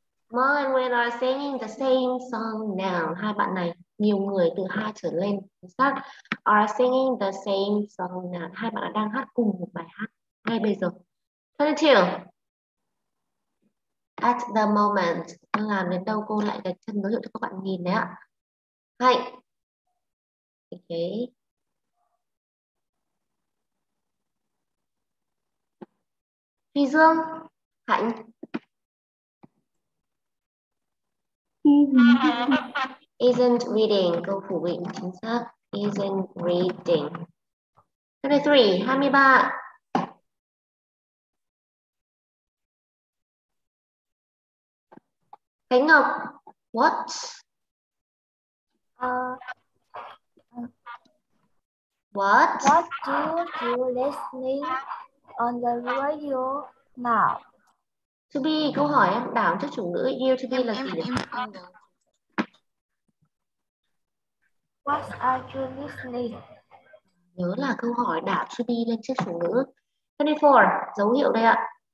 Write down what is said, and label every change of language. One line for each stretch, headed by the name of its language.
English: Mơ and Nguyễn are singing the same song now.
Vietnamese: Hai bạn này, nhiều người từ hai trở lên, chắc
English: are singing the same song now.
Vietnamese: Hai bạn đang hát cùng một bài hát ngay bây giờ. Thưa chị,
English: at the moment,
Vietnamese: đang làm đến đâu cô lại gạch chân dấu hiệu cho các bạn nhìn đấy ạ. Hạnh. Ok. Thùy Dương. Hạnh.
English: Isn't reading.
Vietnamese: Câu phủ định chính xác. Isn't reading. 23, 23.
English: Khánh Ngọc, what? What? What do you listening on the radio now?
Vietnamese: To be, câu hỏi em đảo cho chủ ngữ you to be là gì?
English: What are you listening?
Vietnamese: Nhớ là câu hỏi đảo to be lên trước chủ ngữ. 24, dấu hiệu đây ạ.